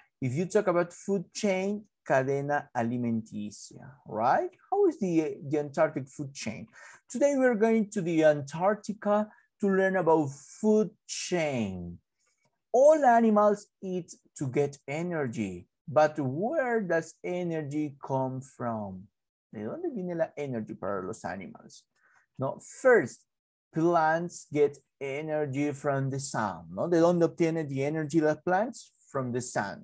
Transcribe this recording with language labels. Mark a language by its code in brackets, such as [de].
[en] If you talk about food chain, [es] cadena alimenticia, [en] right? How is the Antarctic food chain? Today we're going to the Antarctica to learn about food chain. All animals eat to get energy, but where does energy come from? [es] ¿De dónde viene la energy para los animales? [en] No, first, plants get energy from the sun. [es] No, ¿de dónde obtiene the energy las plants? [en] From the sun.